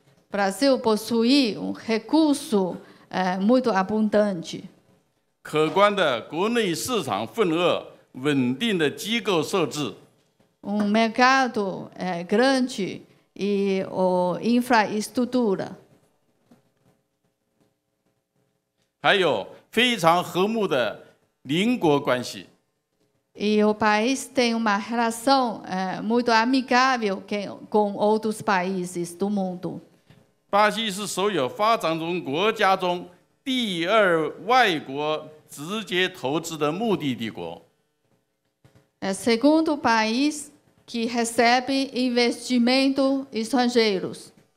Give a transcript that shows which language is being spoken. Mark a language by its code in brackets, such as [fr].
[pt] Brasil possui recurso muito abundante. [zh] 可观的国内市场份额，稳定的机构设置。 [pt] mercado grande e o infraestrutura. [zh] 还有非常和睦的邻国关系。 [pt] E o país tem uma relação muito amigável com outros países do mundo. [zh] 巴西是所有发展中国家中第二外国直接投资的目的地国。 [pt] É o segundo país que recebe investimento estrangeiros.